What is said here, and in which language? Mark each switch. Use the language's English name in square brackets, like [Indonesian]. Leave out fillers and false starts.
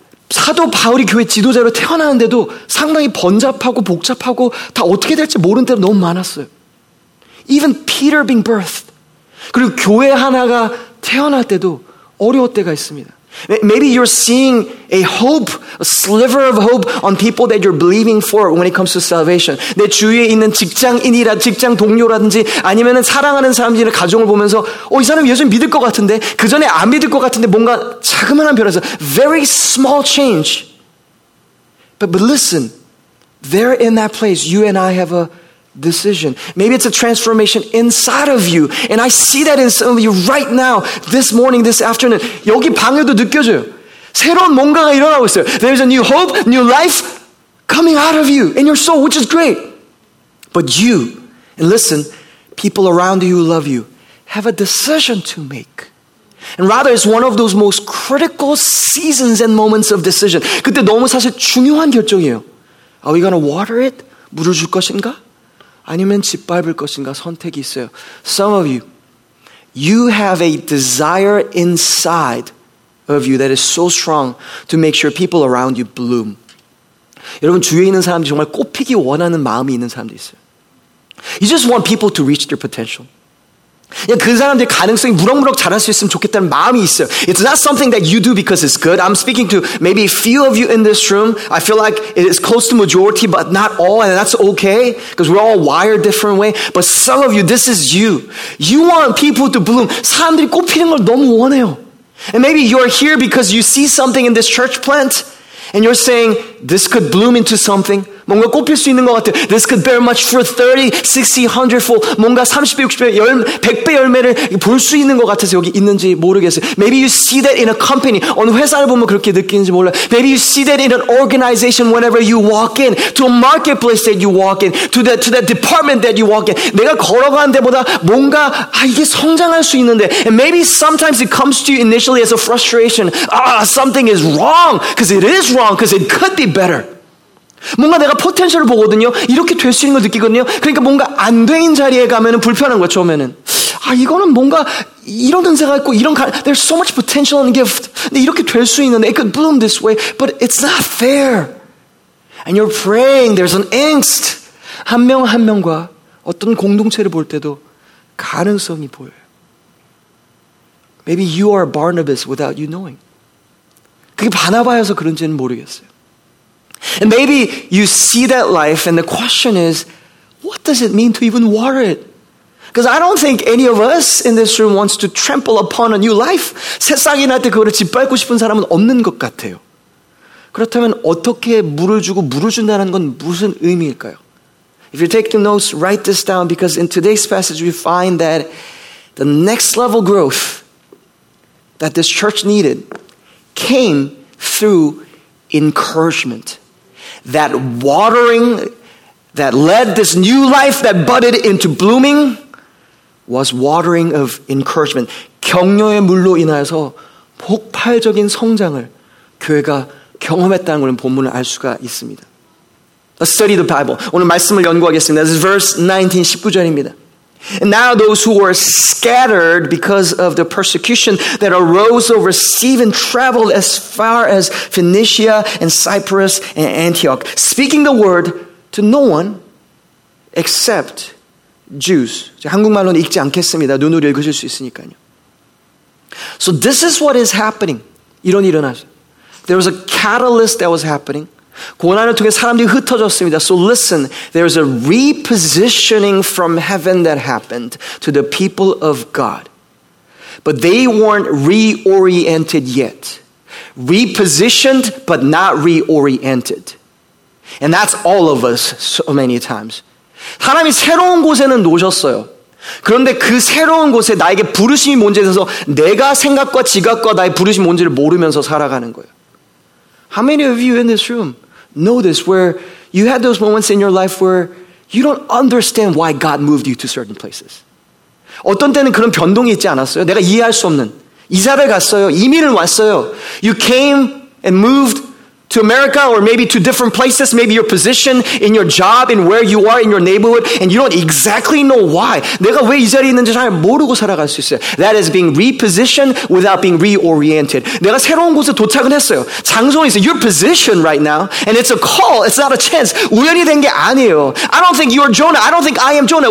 [Korean] 사도 바울이 교회 지도자로 태어나는데도 상당히 번잡하고 복잡하고 다 어떻게 될지 모르는 때가 너무 많았어요. [English] Even Peter being birthed. [Korean] 그리고 교회 하나가 태어날 때도 어려울 때가 있습니다. [English] Maybe you're seeing a hope, a sliver of hope on people that you're believing for when it comes to salvation. [Korean] 내 주위에 있는 직장인이라 직장 동료라든지 아니면은 사랑하는 사람들이나 가정을 보면서 이 사람 예수 믿을 것 같은데 그 전에 안 믿을 것 같은데 뭔가 자그마한 변화서 [English] very small change. But listen, there in that place, you and I have a decision. Maybe it's a transformation inside of you. And I see that in some of you right now, this morning, this afternoon. [Korean] 여기 방에도 느껴져요. 새로운 뭔가가 일어나고 있어요. [English] There's a new hope, new life coming out of you in your soul, which is great. But you, and listen, people around you who love you, have a decision to make. And rather, it's one of those most critical seasons and moments of decision. [Korean] 그때 너무 사실 중요한 결정이에요. [English] Are we going to water it? [Korean] 물을 줄 것인가? 아니면 짓밟을 것인가 선택이 있어요. [English] Some of you, you have a desire inside of you that is so strong to make sure people around you bloom. [Korean] 여러분 주위에 있는 사람들이 정말 꽃 피기 원하는 마음이 있는 사람들 있어요. [English] You just want people to reach their potential. [Korean] 야, 그 사람들 가능성이 무럭무럭 자랄 수 있으면 좋겠다는 마음이 있어요. [English] It's not something that you do because it's good. I'm speaking to maybe a few of you in this room. I feel like it is close to majority, but not all, and that's okay because we're all wired different way. But some of you, this is you. You want people to bloom. [Korean] 사람들이 꽃 피는 걸 너무 원해요. [English] And maybe you're here because you see something in this church plant, and you're saying, this could bloom into something. [Korean] 뭔가 꽃 필 수 있는 것 같아. [English] This could bear much fruit 30, 60, 100-fold. [Korean] 뭔가 30배, 60배, 10, 100배 열매를 볼 수 있는 것 같아서 여기 있는지 모르겠어요. [English] Maybe you see that in a company. [Korean] 어느 회사를 보면 그렇게 느끼는지 몰라요. [English] Maybe you see that in an organization whenever you walk in. To a marketplace that you walk in. To that department that you walk in. [Korean] 내가 걸어가는 데보다 뭔가 아 이게 성장할 수 있는데. [English] And maybe sometimes it comes to you initially as a frustration. Ah, something is wrong. Because it is wrong. Because it could be better. [Korean] 뭔가 내가 포텐셜을 보거든요. 이렇게 될 수 있는 걸 느끼거든요. 그러니까 뭔가 안 된 자리에 가면은 불편한 거야, 처음에는. 아, 이거는 뭔가 이런 은사가 있고 이런 가 [English] There's so much potential and gift. [Korean] 근데 이렇게 될 수 있는데 [English] it could bloom this way, but it's not fair. And you're praying there's an angst. [Korean] 한 명 한 명과 어떤 공동체를 볼 때도 가능성이 보여요. [English] Maybe you are Barnabas without you knowing. [Korean] 그게 바나바여서 그런지는 모르겠어요. [English] And maybe you see that life and the question is, what does it mean to even water it? Because I don't think any of us in this room wants to trample upon a new life. [Korean] 세상이 나한테 그거를 짓밟고 싶은 사람은 없는 것 같아요. 그렇다면 어떻게 물을 주고 물을 준다는 건 무슨 의미일까요? [English] If you're taking notes, write this down because in today's passage we find that the next level growth that this church needed came through encouragement. That watering that led this new life that budded into blooming was watering of encouragement. [Korean] 격려의 물로 인하여서 폭발적인 성장을 교회가 경험했다는 것을 본문을 알 수가 있습니다. [English] Let's study the Bible. [Korean] 오늘 말씀을 연구하겠습니다. [English] This is verse 19, [Korean] 19절입니다. [English] And now those who were scattered because of the persecution that arose over Stephen traveled as far as Phoenicia and Cyprus and Antioch, speaking the word to no one except Jews. [Korean] 한국말로는 읽지 않겠습니다. 눈으로 읽으실 수 있으니까요. [English] So this is what is happening. [Korean] 이런 일이 일어나죠. [English] There was a catalyst that was happening. [Korean] 고난을 통해 사람들이 흩어졌습니다. [English] So listen, there's a repositioning from heaven that happened to the people of God. But they weren't reoriented yet. Repositioned, but not reoriented. And that's all of us so many times. [Korean] 하나님이 새로운 곳에는 놓으셨어요. 그런데 그 새로운 곳에 나에게 부르심이 뭔지에 대해서 내가 생각과 지각과 나의 부르심이 뭔지를 모르면서 살아가는 거예요. [English] How many of you in this room know this, where you had those moments in your life where you don't understand why God moved you to certain places? [Korean] 어떤 때는 그런 변동이 있지 않았어요? 내가 이해할 수 없는. 이사를 갔어요. 이민을 왔어요. [English] You came and moved to America or maybe to different places, maybe your position in your job and where you are in your neighborhood, and you don't exactly know why. [Korean] 내가 왜 이 자리에 있는지 잘 모르고 살아갈 수 있어요. [English] That is being repositioned without being reoriented. [Korean] 내가 새로운 곳에 도착은 했어요. 장소에 있어요. [English] Your position right now, and it's a call, it's not a chance. [Korean] 우연히 된 게 아니에요. [English] I don't think you're Jonah, I don't think I am Jonah.